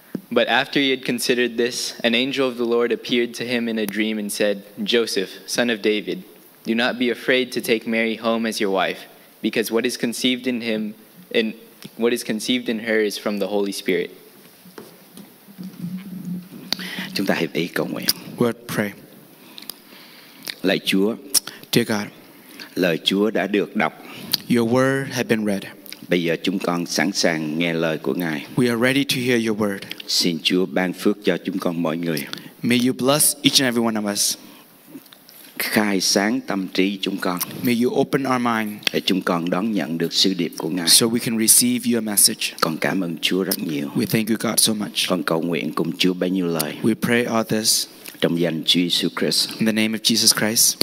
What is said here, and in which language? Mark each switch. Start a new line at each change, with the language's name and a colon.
English: But after he had considered this, an angel of the Lord appeared to him in a dream and said, Joseph, son of David, do not be afraid to take Mary home as your wife, because what is conceived in him and what is conceived in her is from the Holy Spirit.
Vietnamese: Chúng ta hiệp ý cầu nguyện.
English: Word pray.
Vietnamese: Lạy Chúa,
English: dear God,
Vietnamese: lời Chúa đã được đọc.
English: Your word has been read.
Vietnamese: Bây giờ chúng con sẵn sàng nghe lời của Ngài.
English: We are ready to hear your word.
Vietnamese: Xin Chúa ban phước cho chúng con mọi người.
English: May you bless each and every one of us.
Vietnamese: Khai sáng tâm trí chúng con.
English: May you open our mind.
Vietnamese: Để chúng con đón nhận được sứ điệp của Ngài.
English: So we can receive your message.
Vietnamese: Con cảm ơn Chúa rất nhiều.
English: We thank you God so much.
Vietnamese: Con cầu nguyện cùng Chúa bấy nhiêu lời.
English: We pray all this.
Vietnamese: Trong danh Chúa Jesus Christ.
English: In the name of Jesus Christ.